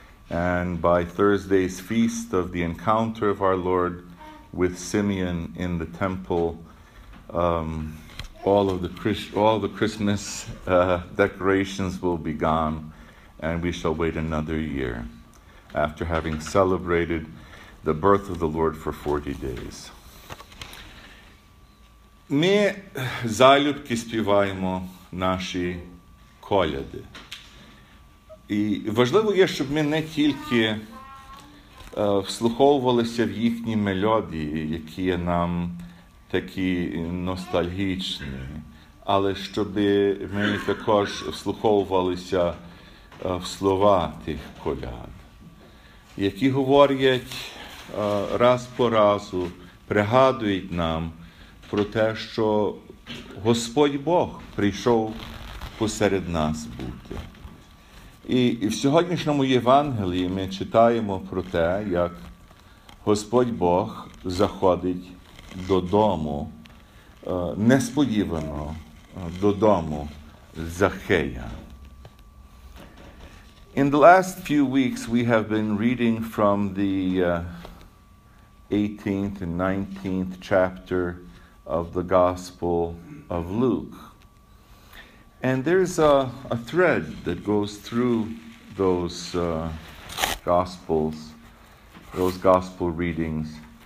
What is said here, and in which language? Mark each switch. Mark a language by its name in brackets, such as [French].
[English] And by Thursday's feast of the encounter of our Lord with Simeon in the temple, all the Christmas decorations will be gone, and we shall wait another year after having celebrated the birth of the Lord for 40 days. [Ukrainian] Ми залюбки співаємо наші коляди. І важливо є, щоб ми не тільки вслуховувалися в їхні мелодії, які є нам такі ностальгічні, але щоб ми також вслуховувалися в слова тих коляд, які говорять раз по разу, пригадують нам про те, що Господь Бог прийшов посеред нас бути. І в сьогоднішньому Євангелії ми читаємо про те, як Господь Бог заходить додому, несподівано додому Захея. [English] In the last few weeks, we have been reading from the 18th and 19th chapter of the Gospel of Luke. And there's a thread that goes through those Gospels, those Gospel readings.